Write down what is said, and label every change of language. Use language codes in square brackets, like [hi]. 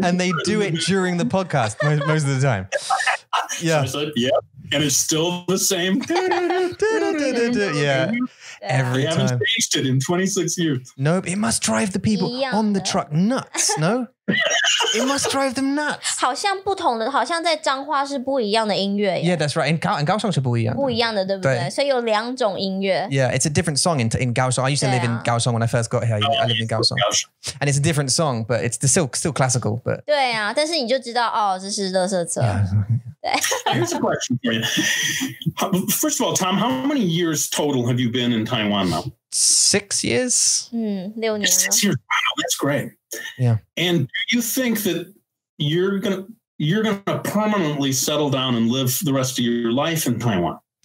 [en] And they do it during the podcast most of the time. Yeah. So I said, and it's still the same. Yeah. Every time. They haven't changed it in 26 years. Nope. It must drive the people on the truck nuts, no? It must drive them nuts. [zh] 好像在彰化是不一样的音乐。 [en] Yeah, that's right. In Kaohsiung [zh] 是不一样的。不一样的,对不对?所以有两种音乐。 [en] Yeah, it's a different song in Kaohsiung. I used to live in Kaohsiung when I first got here. I live in Kaohsiung. And it's a different song, but it's still classical. [zh] 对啊,但是你就知道,哦,这是垃圾车。 [en] Here's a question for you. First of all, Tom, how many years total have you been in Taiwan now? 6 years. 6 years. Wow, that's great. Yeah. And do you think that you're gonna permanently settle down and live the rest of your life in Taiwan?